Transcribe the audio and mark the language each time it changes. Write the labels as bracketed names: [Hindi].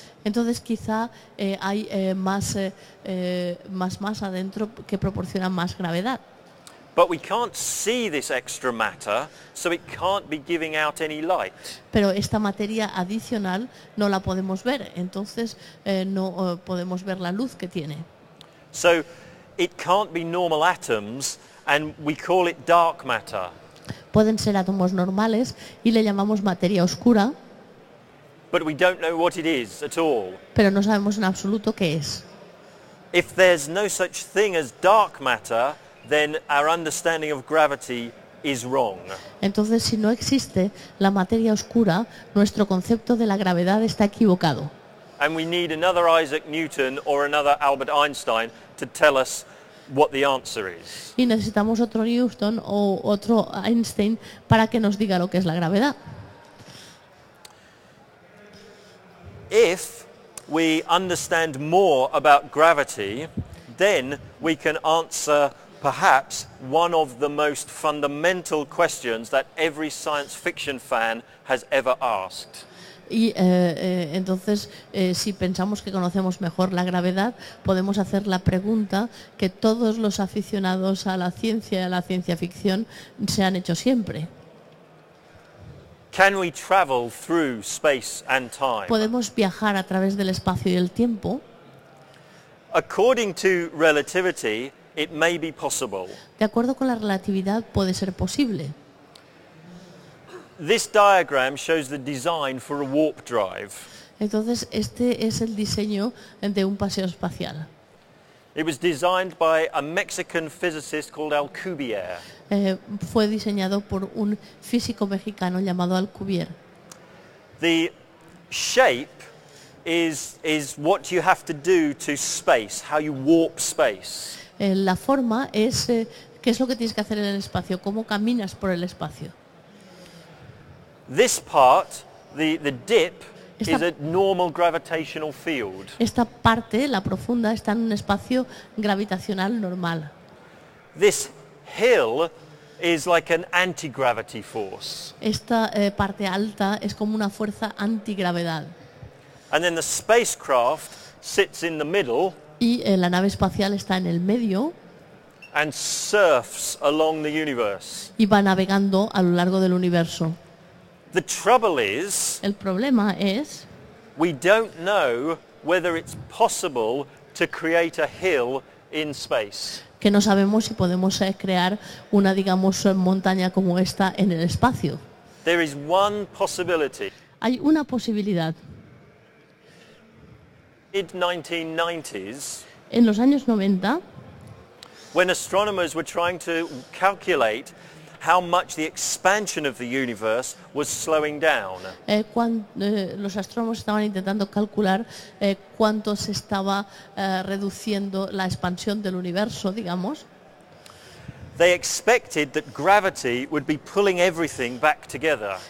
[Spanish] Entonces quizá hay más más masa dentro que proporciona más gravedad. [English] But we can't see this extra matter, so it can't be giving out any light. [Spanish] Pero esta materia adicional no la podemos ver, entonces no podemos ver la luz que tiene. [English] So it can't be normal atoms and we call it dark matter. [Spanish] Pueden ser átomos normales y le llamamos materia oscura. [English] But we don't know what it is at all. [Spanish] Pero no sabemos en absoluto qué es. [English] If there's no such thing as dark matter, then our understanding of gravity is wrong. [Spanish] Entonces, si no existe la materia oscura, nuestro concepto de la gravedad está equivocado. [English] And we need another Isaac Newton or another Albert Einstein to tell us what the answer is. [Spanish] Y necesitamos otro Newton o otro Einstein para que nos diga lo que es la gravedad. [English] If we understand more about gravity, then we can answer perhaps one of the most fundamental questions that every science fiction fan has ever asked. [Spanish] Y entonces, si pensamos que conocemos mejor la gravedad, podemos hacer la pregunta que todos los aficionados a la ciencia y a la ciencia ficción se han hecho siempre. [English] Can we travel through space and time? [Spanish] ¿Podemos viajar a través del espacio y el tiempo? [English] According to relativity, it may be possible. [Spanish] De acuerdo con la relatividad, puede ser posible. [English] This diagram shows the design for a warp drive. [Spanish] Entonces, este es el diseño de un paseo espacial. [English] It was designed by a Mexican physicist called Alcubierre. [Spanish] Fue diseñado por un físico mexicano llamado Alcubierre. [English] The shape is what you have to do to space, how you warp space. [Spanish] La forma es qué es lo que tienes que hacer en el espacio, cómo caminas por el espacio. [English] This part, the dip, is a normal gravitational field. [Spanish] Esta parte, la profunda, está en un espacio gravitacional normal. [English] This hill is like an anti-gravity force. [Spanish] Esta parte alta es como una fuerza antigravedad. [English] And then the spacecraft sits in the middle. [Spanish] Y la nave espacial está en el medio. [English] And surfs along the universe. [Spanish] Y va navegando a lo largo del universo. [English] The trouble is, [Spanish] el problema es, [English] we don't know whether it's possible to create a hill in space. [Spanish] Que no sabemos si podemos crear una, digamos, montaña como esta en el espacio. [English] There is one possibility. [Spanish] Hay una posibilidad. [English] Mid-1990s, [Spanish] en los años 90, [English] when astronomers were trying to calculate how much the expansion of the universe was slowing down. [Spanish] Los astrónomos estaban intentando calcular cuánto se estaba reduciendo la expansión del universo, digamos. [English] They expected that gravity would be pulling everything back together.